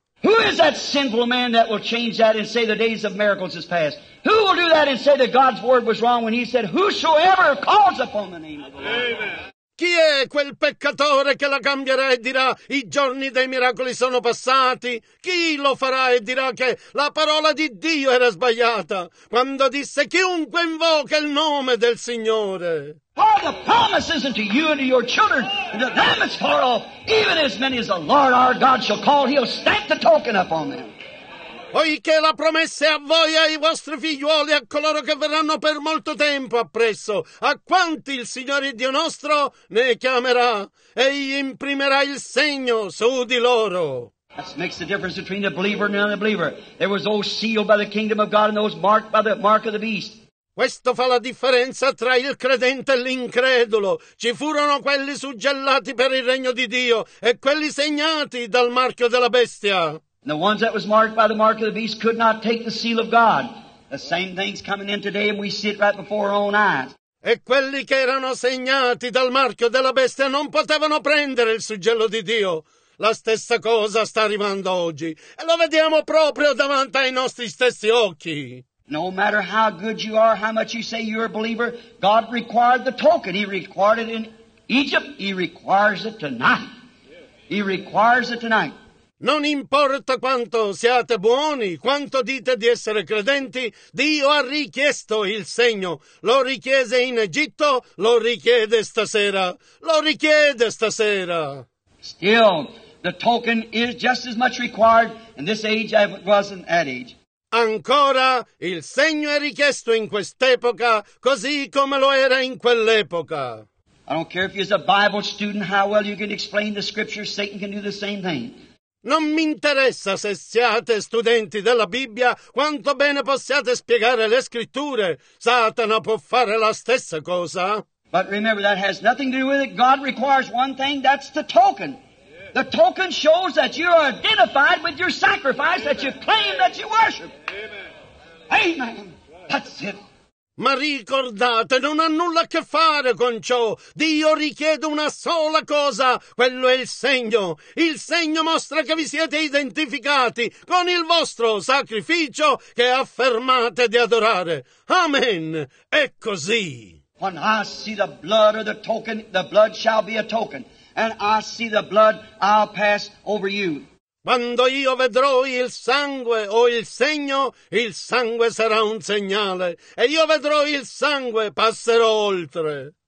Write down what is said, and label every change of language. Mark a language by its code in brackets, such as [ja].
[en] Who is that sinful man that will change that and say the days of miracles is past? Who will do that and say that God's word was wrong when he said, whosoever calls upon the name of the Lord? [it] Chi è quel peccatore che la cambierà e dirà, i giorni dei miracoli sono passati? Chi lo farà e dirà che la parola di Dio era sbagliata? Quando disse, chiunque invoca il nome del Signore. [en] For the promise is unto you and to your children, and to them that's far off, even as many as the Lord our God shall call, he'll stamp the token upon them. [it] Poiché la promessa è a voi, ai vostri figlioli, a coloro che verranno per molto tempo appresso, a quanti il Signore Dio nostro ne chiamerà, egli imprimerà il segno su di loro. [en] That makes the difference between the believer and the unbeliever. There was those sealed by the kingdom of God and those marked by the mark of the beast. [it] Questo fa la differenza tra il credente e l'incredulo. Ci furono quelli suggellati per il regno di Dio e quelli segnati dal marchio della bestia. [en] The ones that was marked by the mark of the beast could not take the seal of God. The same thing's coming in today and we see it right before our own eyes. [it] E quelli che erano segnati dal marchio della bestia non potevano prendere il suggello di Dio. La stessa cosa sta arrivando oggi. E lo vediamo proprio davanti ai nostri stessi occhi. [en] No matter how good you are, how much you say you're a believer, God required the token. He required it in Egypt. He requires it tonight. He requires it tonight. [it] Non importa quanto siate buoni, quanto dite di essere credenti, Dio ha richiesto il segno. Lo richiese in Egitto, lo richiede stasera. Lo richiede stasera. [en] Still, the token is just as much required in this age as it was in that age. [it] Ancora, il segno è richiesto in quest'epoca, così come lo era in quell'epoca. [en] I don't care if you're a Bible student, how well you can explain the scriptures, Satan can do the same thing. [it] Non mi interessa se siate studenti della Bibbia, quanto bene possiate spiegare le scritture. Satana può fare la stessa cosa. [en] But remember, that has nothing to do with it. God requires one thing, that's the token. The token shows that you are identified with your sacrifice, that you claim that you worship. Amen. That's it. [it] Ma ricordate, non ha nulla a che fare con ciò. Dio richiede una sola cosa, quello è il segno. Il segno mostra che vi siete identificati con il vostro sacrificio che affermate di adorare. Amen. È così. [en] When I see the blood of the token, the blood shall be a token. And I see the blood, I'll pass over you. [it] Quando io vedrò il sangue o il sangue sarà un segnale. E io vedrò il sangue, passerò oltre.